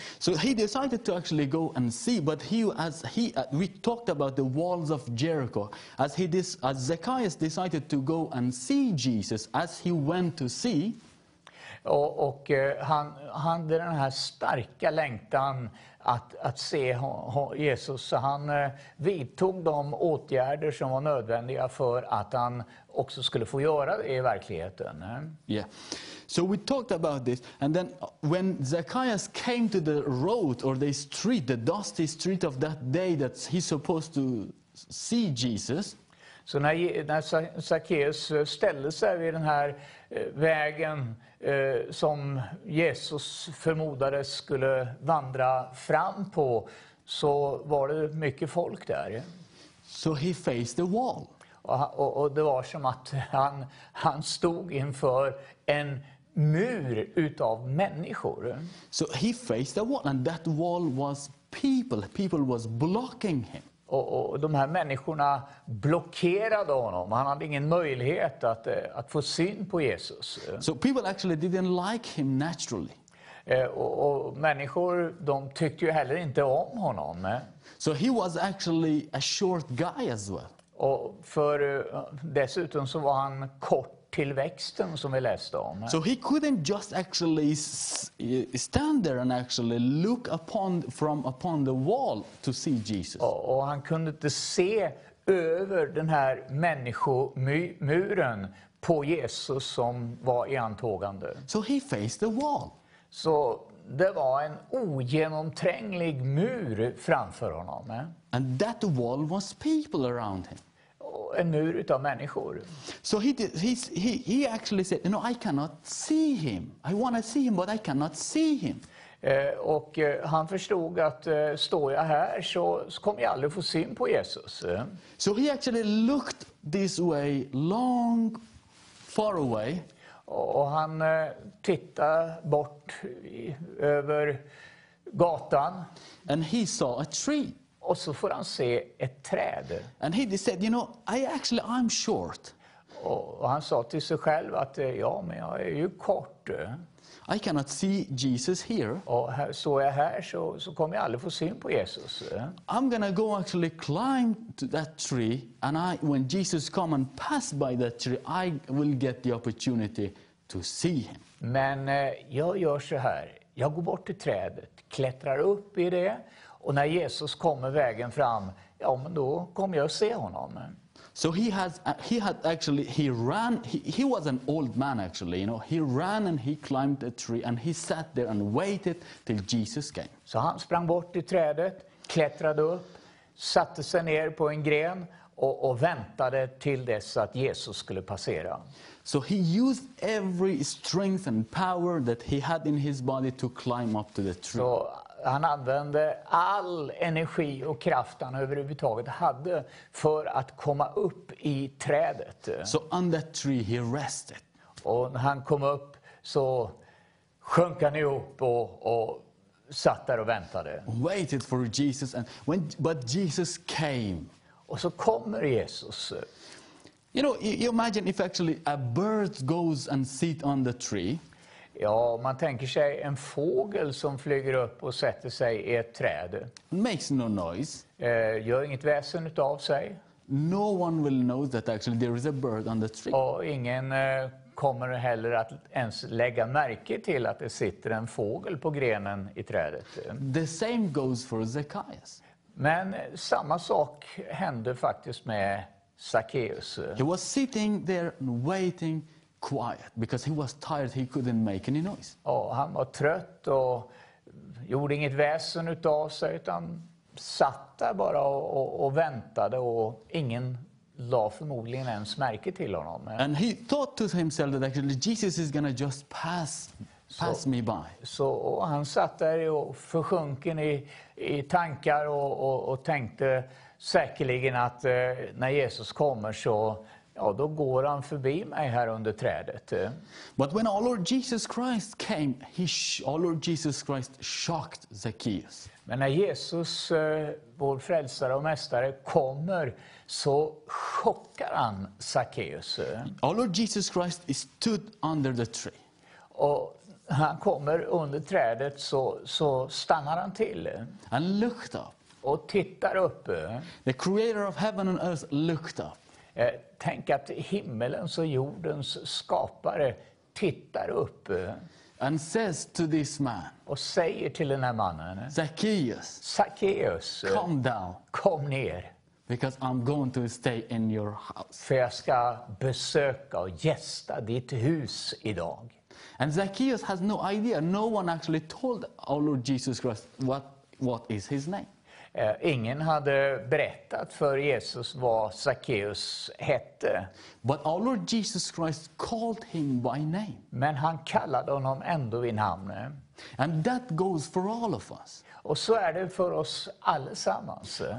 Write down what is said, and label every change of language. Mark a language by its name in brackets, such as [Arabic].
[English] So he decided to actually go and see, but we talked about the walls of Jericho. As Zacchaeus decided to go and see Jesus, as he went to see. [Swedish] Och han hade den här starka längtan att se Jesus. Så han vidtog de åtgärder som var nödvändiga för att han också skulle få göra det i verkligheten. [English] Yeah. So we talked about this, and then when Zacchaeus came to the road or the street, the dusty street of that day that he's supposed to see Jesus. [Swedish] Så när Zacchaeus ställde sig vid den här vägen som Jesus förmodades skulle vandra fram på, så var det mycket folk där. [English] So he faced the wall. [Swedish] Och det var som att han stod inför en mur utav människor. [English] So he faced the wall, and that wall was people. People was blocking him. [Swedish] Och de här människorna blockerade honom. Han hade ingen möjlighet att få syn på Jesus. [English] So people actually didn't like him naturally. [Swedish] Och människor, de tyckte ju heller inte om honom. [English] So he was actually a short guy as well. [Swedish] Och för dessutom så var han kort till växten som vi läste om. [English] So he couldn't just actually stand there and actually look upon the wall to see Jesus. [Swedish] Och han kunde inte se över den här människomuren på Jesus som var i antågande. [English] So he faced the wall. [Swedish] Så det var en ogenomtränglig mur framför honom. [English] And that wall was people around him. [Swedish] En mur utav människor. [English] So he actually said, you know, I cannot see him. I want to see him, but I cannot see him. [Swedish] Och han förstod att står jag här så kommer jag aldrig få syn på Jesus. [English] So he actually looked this way long far away. [Swedish] Och han tittade bort över gatan. [English] And he saw a tree. [Swedish] Och så får han se ett träd. [English] And he said, you know, I'm short. [Swedish] Och han sa till sig själv att ja, men jag är ju kort. [English] I cannot see Jesus here. [Swedish] Och här, så är jag här så kommer jag aldrig få syn på Jesus. [English] I'm gonna go actually climb to that tree, and when Jesus come and pass by that tree, I will get the opportunity to see him. [Swedish] Men jag gör så här. Jag går bort till trädet, klättrar upp i det. Och när Jesus kommer vägen fram, ja, men då kommer jag att se honom. [English] So he was an old man actually, you know. He ran and he climbed a tree and he sat there and waited till Jesus came. [Swedish] Så han sprang bort i trädet, klättrade upp, satte sig ner på en gren och väntade till dess att Jesus skulle passera. [English] So he used every strength and power that he had in his body to climb up to the tree. [Swedish] Så Han använde all energi och kraft han överhuvudtaget hade för att komma upp i trädet. [English] So on that tree he rested. [Swedish] Och när han kom upp så sjönk han ihop och satt där och väntade. [English] Waited for Jesus and when but Jesus came. [Swedish] Och så kommer Jesus. [English] You know, you imagine if actually a bird goes and sits on the tree. [Swedish] Ja, man tänker sig en fågel som flyger upp och sätter sig i ett träd. [English] Makes no noise. [Swedish] Gör inget väsen utav sig. [English] No one will know that actually there is a bird on the tree. [Swedish] Och ingen kommer heller att ens lägga märke till att det sitter en fågel på grenen i trädet. [English] The same goes for Zacchaeus. [Swedish] Men samma sak hände faktiskt med Zacchaeus. [English] He was sitting there waiting quiet because he was tired, he couldn't make any noise. [Swedish] Ja, han var trött och gjorde inget väsen utav sig utan satt där bara och väntade och ingen la förmodligen ens märke till honom. [English] And he thought to himself that actually Jesus is gonna just pass me by. [Swedish] Så han satt där och försjunken i tankar och tänkte säkerligen att när Jesus kommer så då går han förbi mig här under trädet. [English] But when our Lord Jesus Christ came, our Lord Jesus Christ shocked Zacchaeus. [Swedish] Men när Jesus, vår frälsare och mästare, kommer så chockar han Zacchaeus. [English] Our Lord Jesus Christ is stood under the tree. [Swedish] Och han kommer under trädet så stannar han till. [English] And looked up. [Swedish] Och tittar upp. [English] The creator of heaven and earth looked up. [Swedish] Tänk att himmelens och jordens skapare tittar upp. [English] And says to this man. [Swedish] Och säger till den här mannen. [English] Zacchaeus. [Swedish] Zacchaeus. [English] Come down. [Swedish] Kom ner. [English] Because I'm going to stay in your house. [Swedish] För jag ska besöka och gästa ditt hus idag. [English] And Zacchaeus has no idea. No one actually told our Lord Jesus Christ what is his name. [Swedish] Ingen hade berättat för Jesus vad Zacchaeus hette. [English] But our Lord Jesus Christ called him by name. [Swedish] Men han kallade honom ändå vid namn. [English] And that goes for all of us. [Swedish] Och så är det för oss allesammans.